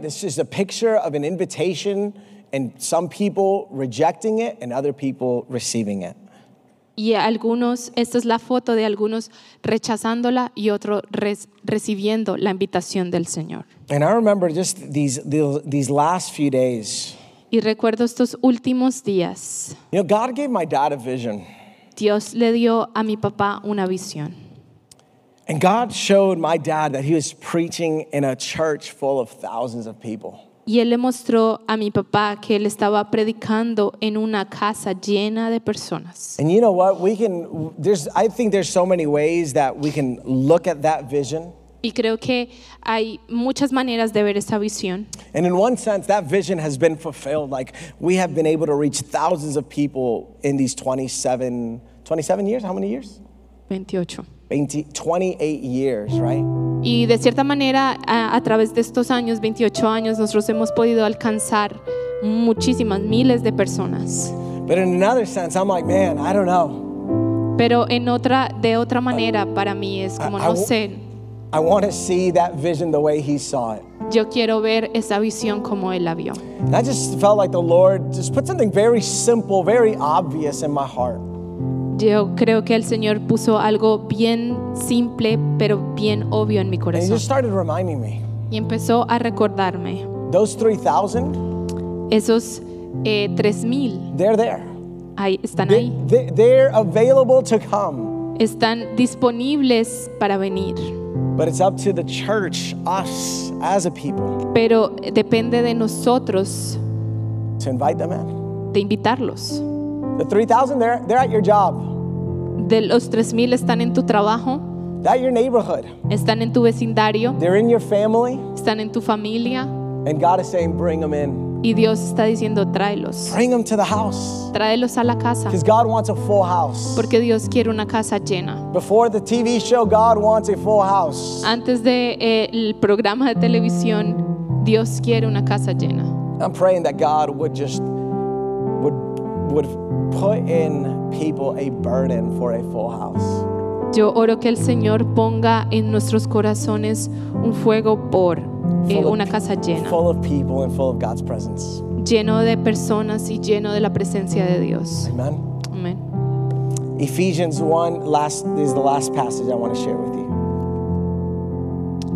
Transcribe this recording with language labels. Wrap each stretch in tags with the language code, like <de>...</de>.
<en>This is a picture of an invitation and some people rejecting it and other people receiving it.</en> <es>Y algunos, esta es la foto de algunos rechazándola y otro recibiendo la invitación del Señor.</es> <en>And I remember just these last few days.</en> <es>Y recuerdo estos últimos días.</es> <en>You know, God gave my dad a vision.</en> <es>Dios le dio a mi papá una visión.</es> <en>And God showed my dad that he was preaching in a church full of thousands of people.</en> <es>Y él le mostró a mi papá que él estaba predicando en una casa llena de personas.</es> <en>And you know what? I think there's so many ways that we can look at that vision.</en> <es>Y creo que hay muchas maneras de ver esa visión.</es> <en>And in one sense, that vision has been fulfilled. Like, we have been able to reach thousands of people in these 27 years? How many years? 28 years, right?</en> <es>Y de cierta manera, a través de estos años, 28 años, nosotros hemos podido alcanzar muchísimas, miles de personas.</es> <en>But in another sense, I'm like, man, I don't know.</en> <es>Pero de otra manera, para mí es como, no sé.</es> <en>I want to see that vision the way he saw it.</en> <es>Yo quiero ver esa visión como él la vio.</es> <en>And I just felt like the Lord just put something very simple, very obvious in my heart.</en> <es>Yo creo que el Señor puso algo bien simple, pero bien obvio en mi corazón.</es> <en>And he just started reminding me.</en> <es>Y empezó a recordarme.</es> <en>Those 3,000.</en> <es>esos 3,000.</es> <en>They're there.</en> <es>Ahí, están ahí.</es> <en>They're available to come.</en> <es>Están disponibles para venir.</es> <en>But it's up to the church, us as a people.</en> <es>Pero depende de nosotros.</es> <en>To invite them in.</en> <es>De invitarlos.</es> <en>The 3,000, they're at your job.</en> <es>De los 3,000 están en tu trabajo.</es> <en>At your neighborhood.</en> <es>Están en tu vecindario.</es> <en>They're in your family.</en> <es>Están en tu familia.</es> <en>And God is saying, bring them in.</en> <es>Y Dios está diciendo, tráelos.</es> <en>Bring them to the house.</en> <es>Tráelos a la casa.</es> <en>Because God wants a full house.</en> <es>Porque Dios quiere una casa llena.</es> <en>Before the TV show, God wants a full house.</en> <es>Antes de el programa de televisión, Dios quiere una casa llena.</es> <en>I'm praying that God would put in people a burden for a full house.</en> <es>Yo oro que el Señor ponga en nuestros corazones un fuego por una casa llena.</es> <en>Full of people and full of God's presence.</en> <es>Lleno de personas y lleno de la presencia de Dios.</es> <en>Amen.</en> <es>Amen.</es> <en>Ephesians 1, last, this is the last passage I want to share with you.</en>